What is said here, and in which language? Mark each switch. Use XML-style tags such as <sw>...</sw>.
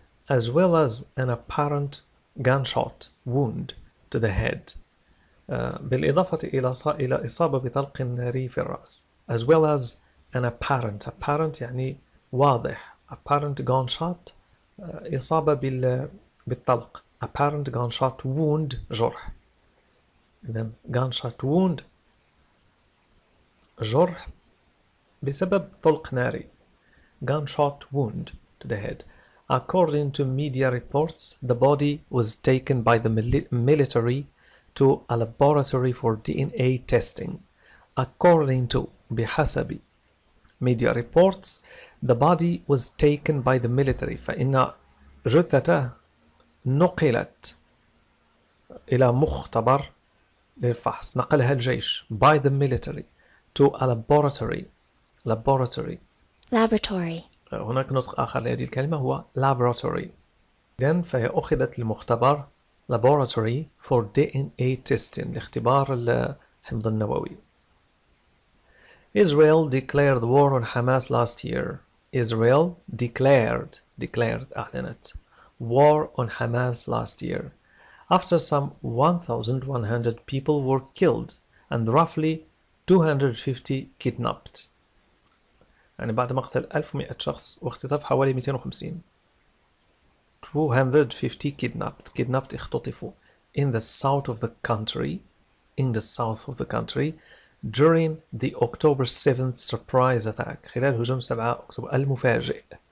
<en>As well as an apparent gunshot wound to the head.</en> <ar>بالإضافة إلى إصابة بطلق ناري في الرأس.</ar> <en>As well as an apparent. Apparent</en> <ar>يعني واضح.</ar> <en>Apparent gunshot.</en> <ar>إصابة بالطلق.</ar> <en>Apparent gunshot wound. جرح. إذن gunshot wound. جرح.</en> <ar>بسبب طلق ناري.</ar> <en>Gunshot wound to the head. According to media reports, the body was taken by the military to a laboratory for DNA testing. According to بحسب media reports, the body was taken by the military.</en> <ar>فإن جثته نقلت إلى مختبر للفحص. نقلها الجيش</ar> <en>by the military to a laboratory. Laboratory. Laboratory.</en> <ar>هناك نطق آخر لهذه الكلمة هو laboratory. إذن فهي أخذت لمختبر</ar> <en>laboratory for DNA testing</en> <ar>لاختبار الحمض النووي.</ar> <en>Israel declared war on Hamas last year. Israel declared أعلنت war on Hamas last year after some 1,100 people were killed and roughly 250 kidnapped.</en> <ar>يعني بعد مقتل 1,100 شخص واختطاف حوالي 250.</ar> <en>250 kidnapped. Kidnapped</en> <ar>اختطفوا.</ar> <en>In the south of the country. In the south of the country. During the October 7th surprise attack.</en> <ar>خلال هجوم 7 أكتوبر المفاجئ.</ar>